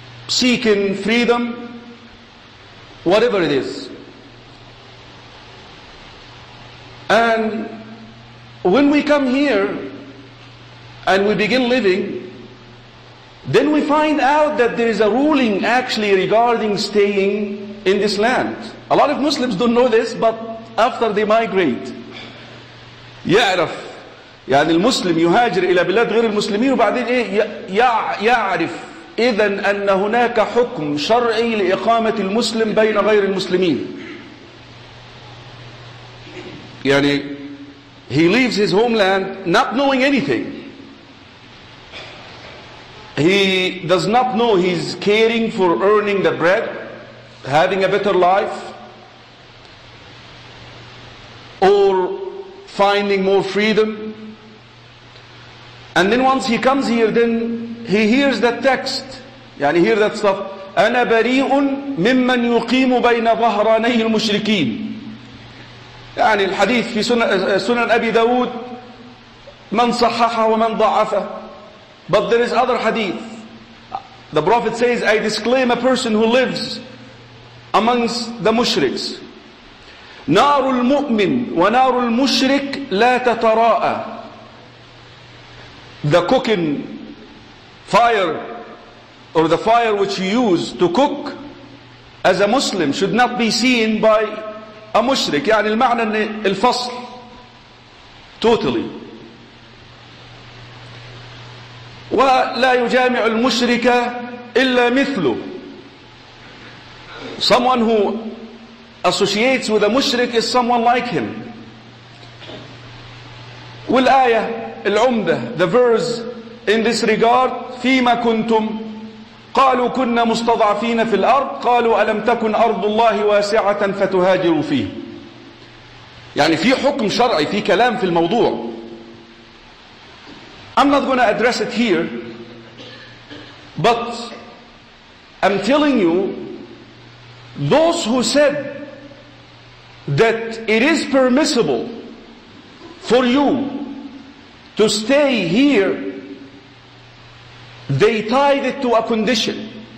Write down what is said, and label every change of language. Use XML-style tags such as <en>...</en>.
<en>seeking freedom, whatever it is. And when we come here and we begin living, then we find out that there is a ruling actually regarding staying in this land. A lot of Muslims don't know this, but after they migrate,</en> <ar>يعرف يعني المسلم يهاجر إلى بلاد غير المسلمين وبعدين إيه يعرف إذن أن هناك حكم شرعي لإقامة المسلم بين غير المسلمين. يعني</ar> <en>he leaves his homeland not knowing anything. He does not know he's caring for earning the bread, having a better life, or finding more freedom. And then once he comes here, then he hears that text.</en> <ar>يعني</ar> <en>hear that stuff.</en> <ar>أنا بريء ممن يقيم بين ظهراني المشركين. يعني الحديث في سنن أبي داود من صححه ومن ضعفه.</ar> <en>But there is other hadith. The Prophet says, I disclaim a person who lives amongst the mushriks.</en> <ar>نار المؤمن ونار المشرك لا تتراءى.</ar> <en>The cooking fire, or the fire which you use to cook as a Muslim, should not be seen by a mushrik.</en> <ar>يعني المعنى ان الفصل</ar> <en>totally.</en> <ar>ولا يجامع المشرك إلا مثله.</ar> <en>Someone who associates with a mushrik is someone like him.</en> <ar>والآية العمدة,</ar> <en>the verse in this regard,</en> <ar>فيما كنتم قالوا كنا مستضعفين في الأرض قالوا ألم تكن أرض الله واسعة فتهاجروا فيه. يعني في حكم شرعي, في كلام في الموضوع.</ar> <en>I'm not going to address it here, but I'm telling you, those who said that it is permissible for you to stay here, they tied it to a condition.</en>